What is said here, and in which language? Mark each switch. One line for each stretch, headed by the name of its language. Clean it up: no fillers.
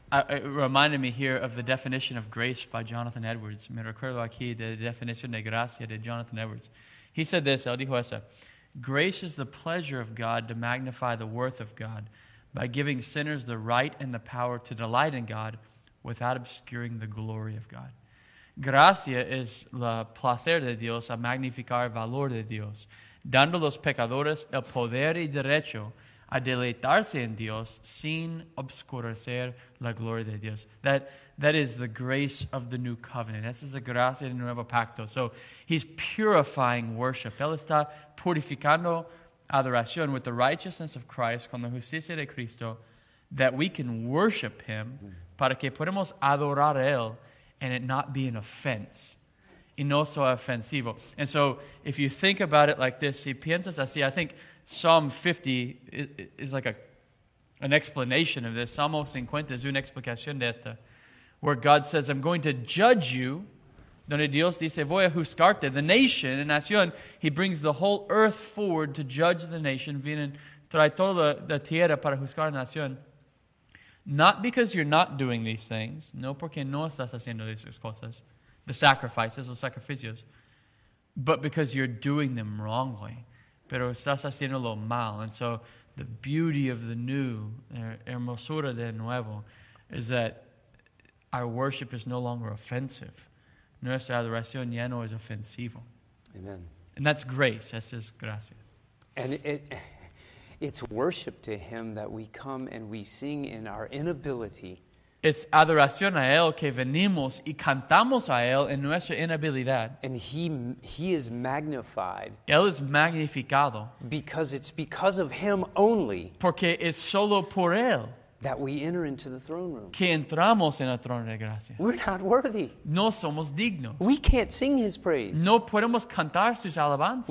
English: It reminded me here of the definition of grace by Jonathan Edwards.
Spanish: Me recuerdo aquí de la definición de gracia de Jonathan Edwards.
English: He said this,
Spanish: él dijo esto.
English: Grace is the pleasure of God to magnify the worth of God by giving sinners the right and the power to delight in God without obscuring the glory of God.
Spanish: Gracia es la placer de Dios a magnificar el valor de Dios, dando a los pecadores el poder y derecho a deleitarse en Dios sin obscurecer la gloria de Dios.
English: That is the grace of the new covenant.
Spanish: Esa es la gracia del nuevo pacto.
English: So he's purifying worship.
Spanish: Él está purificando adoración
English: with the righteousness of Christ,
Spanish: con la justicia de Cristo,
English: that we can worship him,
Spanish: para que podamos adorar a él,
English: and it not be an offense.
Spanish: Y no sea ofensivo.
English: And so if you think about it like this,
Spanish: si piensas así,
English: I think Psalm 50 is like an explanation of this.
Spanish: Salmo 50 es una explicación de esta,
English: where God says, I'm going to judge you.
Spanish: Donde Dios dice, voy a juzgarte.
English: The nation,
Spanish: la nación,
English: he brings the whole earth forward to judge the nation.
Spanish: Vienen, trae toda la tierra para juzgar la nación.
English: Not because you're not doing these things.
Spanish: No porque no estás haciendo esas cosas.
English: The sacrifices,
Spanish: los sacrificios.
English: But because you're doing them wrongly.
Spanish: Pero estás haciéndolo mal.
English: And so the beauty of the new,
Spanish: hermosura de nuevo,
English: is that our worship is no longer offensive.
Spanish: Nuestra adoración ya no es ofensivo.
English: Amen. And that's grace.
Spanish: Esa es gracia.
English: And it's worship to him that we come and we sing in our inability.
Spanish: Es adoración a él que venimos y cantamos a él en nuestra inhabilidad.
English: And he is magnified.
Spanish: Él es magnificado.
English: Because it's because of him only.
Spanish: Porque es solo por él.
English: That we enter into the throne room.
Spanish: Que entramos en el trono de gracia.
English: We're not worthy.
Spanish: No somos dignos.
English: We can't sing his praise.
Spanish: No podemos cantar sus alabanzas.